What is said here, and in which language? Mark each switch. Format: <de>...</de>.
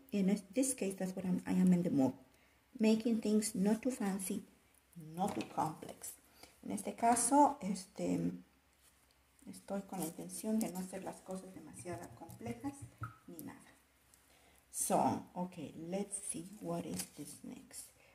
<en>In this case, that's what I am in the mood, making things not too fancy, not too complex.</en> <es>En este caso, estoy con la intención de no hacer las cosas demasiado complejas ni nada.</es> <en>So, okay, let's see what is this next.</en>